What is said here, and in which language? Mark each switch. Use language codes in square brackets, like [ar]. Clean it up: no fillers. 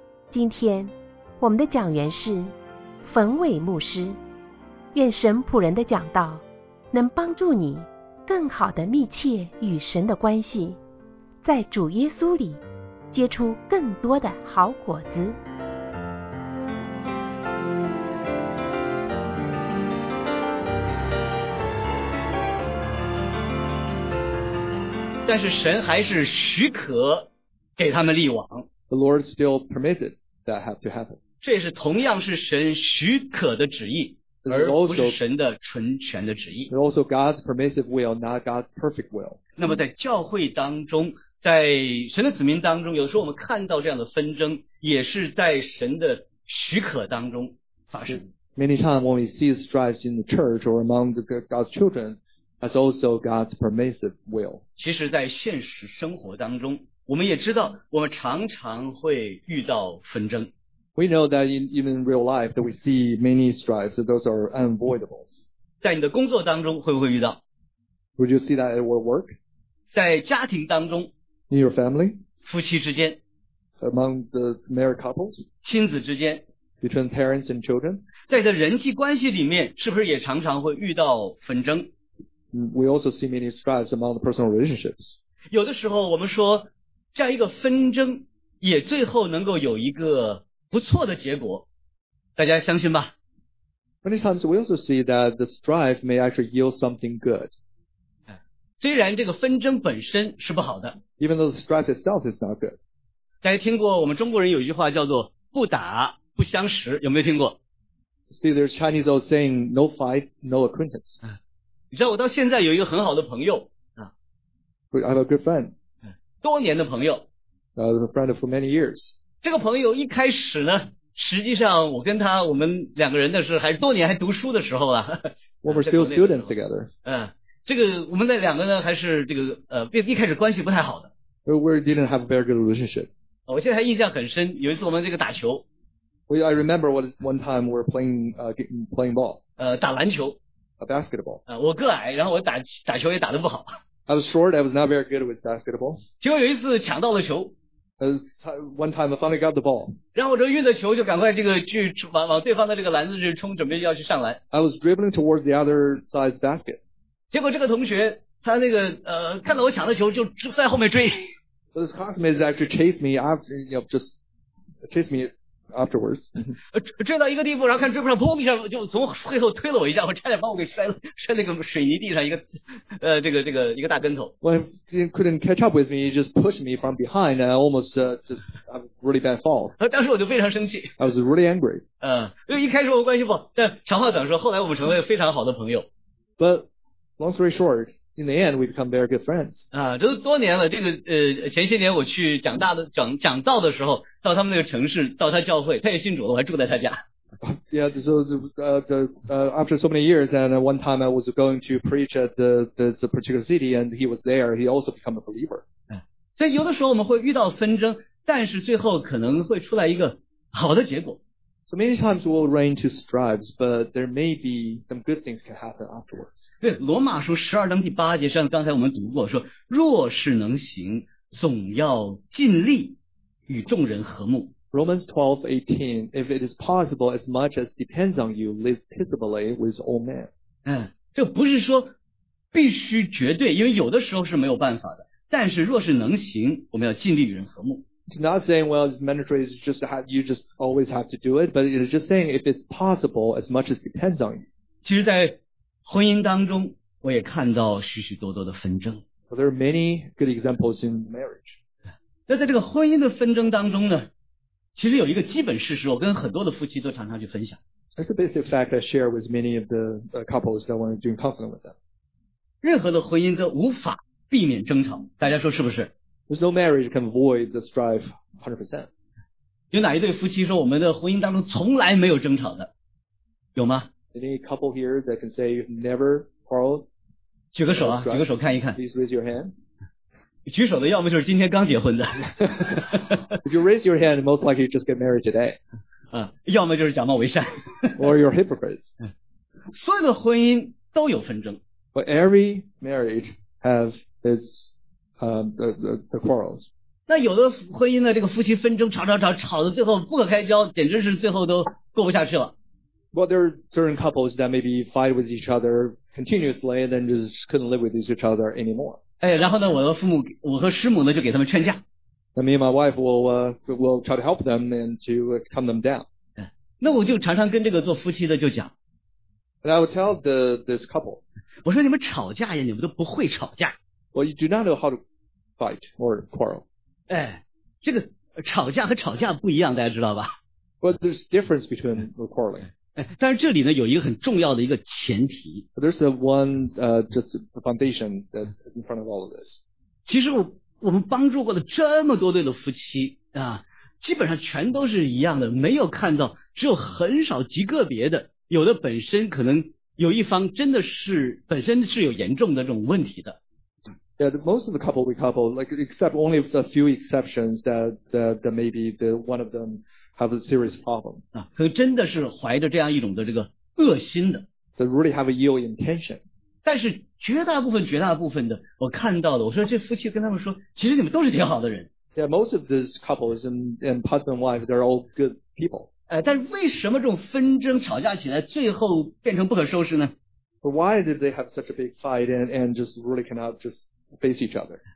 [zh] 今天我们的讲员是冯伟牧师，愿神仆人的讲道能帮助你更好地密切与神的关系，在主耶稣里结出更多的好果子。但是神还是许可给他们立网。 [en] The Lord still permitted that have to happen. [zh] 这是同样是神许可的旨意，而不是神的纯全的旨意。 [en] It's also God's permissive will, not God's perfect will. [zh] 那么在教会当中，在神的子民当中，有时候我们看到这样的纷争，也是在神的许可当中发生。 [en] Many times when we see strife in the church or among the God's children,That's also God's permissive will. [zh] 其实在现实生活当中，我们也知道我们常常会遇到纷争。 [en] We know that even in real life that we see many strifes, those are unavoidable. [zh] 在你的工作当中会不会遇到？ [en] Would you see that at work? [zh] 在家庭当中， [en] In your family? [zh] 夫妻之间， [en] Among the married couples? [zh] 亲子之间， [en] Between parents and children? [zh] 在的人际关系里面，是不是也常常会遇到纷争？ [en] We also see many strifes among the personal relationships. [zh] 有的时候我们说这样一个纷争也最后能够有一个不错的结果，大家相信吧。 [en] Many times we also see that the strife may actually yield something good. [zh] 虽然这个纷争本身是不好的， [en] Even though the strife itself is not good. [zh] 大家听过我们中国人有一句话叫做不打不相识，有没有听过？ [en] See, there's Chinese old saying, no fight, no acquaintance. [zh] 你知道我到现在有一个很好的朋友啊， [en] I have a good friend. [zh] 多年的朋友， [en] A friend for many years. [zh] 这个朋友一开始呢，实际上我跟他，我们两个人的是还是多年还读书的时候啊。 [en] We were still students together. [zh] 这个我们那两个呢，还是这个一开始关系不太好的。 [en] We didn't have a very good relationship. [zh] 我现在还印象很深，有一次我们这个打球。 [en] I remember one time we were playing ball. [zh] 打篮球。 [en] A basketball. [zh] 我个矮，然后我打球也打得不好。 [en] I was short. I was not very good with basketball. [zh] 结果有一次抢到了球。 [en] One time I finally got the ball. [zh] 然后我这运着球就赶快这个去往对方的这个篮子去冲，准备要去上篮。 [en] I was dribbling towards the other side's basket. [zh] 结果这个同学他那个看到我抢的球就在后面追。 [en] But his classmates actually chased me after, you know, just chased me. Afterwards, [zh] 追到一个地步，然后看追不上，砰一下就从背后推了我一下，我差点把我给摔那个水泥地上一个这个一个大跟头。 [en] When he couldn't catch up with me, he just pushed me from behind and almost just a really bad fall. [zh] 当时我就非常生气。 [en] I was really angry. [zh] 因为一开始我关系不好，但长话短说，后来我们成为非常好的朋友。 [en] But long story short, in the end, we become very good friends. [zh] 这都多年了，这个前些年我去讲道的时候。到他们那个城市，到他教会，他也信主了，我还住在他家。 [en] Yeah, so after so many years, and one time I was going to preach at this particular city, and he was there. He also became a believer. [zh] 所以有的时候我们会遇到纷争，但是最后可能会出来一个好的结果。 [en] So many times we'll run into strifes, but there may be some good things can happen afterwards. [zh] 对，罗马书十二章第八节，像刚才我们读过，说若是能行，总要尽力。与众人和睦。 [en] Romans 12:18, if it is possible, as much as depends on you, live peaceably with all men. [zh] 这不是说必须绝对，因为有的时候是没有办法的。但是若是能行，我们要尽力与人和睦。 [en] It's not saying, well, it's mandatory, it's just you just always have to do it, but it's just saying if it's possible, as much as depends on you. [zh] 其实在婚姻当中，我也看到许许多多的纷争。 [en] Well, there are many good examples in marriage. [zh] 那在这个婚姻的纷争当中呢，其实有一个基本事实，我跟很多的夫妻都常常去分享。 [en] That's the basic fact I share with many of the couples that want to do counseling with them. [zh] 任何的婚姻都无法避免争吵，大家说是不是？ [en] There's no marriage can avoid the strife 100%. [zh] 有哪一对夫妻说我们的婚姻当中从来没有争吵的？有吗？ [en] Any couple here that can say you've never quarreled? [zh] 举个手啊，举个手看一看。 [en] Please raise your hand. [zh] 举手的要么就是今天刚结婚的。 [en] If you raise your hand, most likely you just get married today. [zh] 要么就是假冒为善。 [en] Or you're hypocrites. [zh] 所有的婚姻都有纷争。 [en] But every marriage has its, the quarrels. [zh] 那有的婚姻呢，这个夫妻纷争吵吵吵吵的最后不可开交，简直是最后都过不下去了。 [en] Well, there are certain couples that maybe fight with each other continuously and then just couldn't live with each other anymore. [zh] 然后呢，我的父母，我和师母呢，就给他们劝架。 [en] And me and my wife will try to help them and to calm them down. [zh] 那我就常常跟这个做夫妻的就讲。 [en] And I would tell this couple. [zh] 我说你们吵架呀，你们都不会吵架。 [en] Well, you do not know how to fight or quarrel. [zh] 这个吵架和吵架不一样，大家知道吧？ [en] Well, there's difference between quarreling. [zh] 但是这里呢有一个很重要的一个前提。 [en] There's a one, just a foundation that in front of all of this. [zh] 其实我们帮助过的这么多对的夫妻啊，基本上全都是一样的，没有看到，只有很少极个别的，有的本身可能有一方真的是本身是有严重的这种问题的。 [en] Yeah, most of the couple we couple, like except only a few exceptions that maybe the one of them. Have a serious problem. [zh] 可能真的是怀着这样一种的这个恶心的。 [en] They really have a ill intention. [zh] 但是绝大部分的，我看到的，我说这夫妻跟他们说，其实你们都是挺好的人。 [en] Yeah, most of these couples and husband and wife, they're all good people. [zh] 但是为什么这种纷争吵架起来，最后变成不可收拾呢？ [en] But why did they have such a big fight and just really cannot just face each other?